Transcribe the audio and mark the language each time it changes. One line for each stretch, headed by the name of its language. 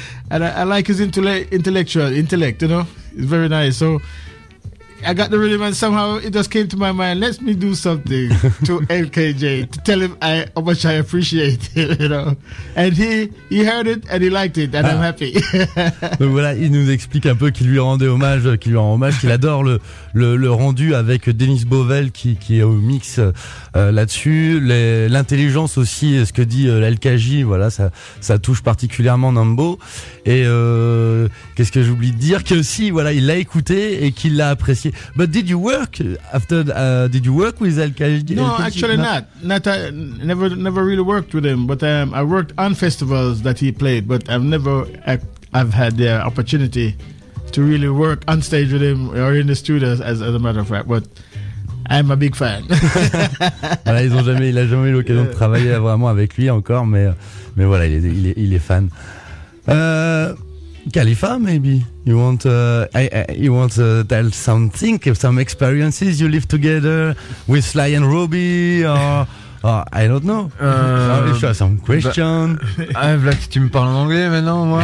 English: And I like his intellect, you know. It's very nice. So I got the rhythm and somehow it just came to my mind, let me do something to LKJ to tell him how much I appreciate it, you know. And he heard it and he liked it and I'm happy.
French: Donc voilà, il nous explique un peu qu'il lui rend hommage, qu'il adore le rendu avec Dennis Bovell qui est au mix là-dessus, l'intelligence aussi, ce que dit LKJ, voilà, ça touche particulièrement Nambo. Et qu'est-ce que j'oublie de dire, que aussi voilà, il l'a écouté et qu'il l'a apprécié.
English: But did you work after? Did you work with LKJ? No, actually not. I never really worked with him. But I worked on festivals that he played. But I've had the opportunity to really work on stage with him or in the studios, as a matter of fact. But I'm a big fan.
French: Voilà, il a jamais eu l'occasion de travailler vraiment avec lui encore. Mais voilà, il est fan.
English: Khalifa, maybe you want you want to tell something, some experiences you live together with Sly and Robby, or I don't know. If you have some question.
French: Ah, Vlad, tu me parles en anglais maintenant, moi.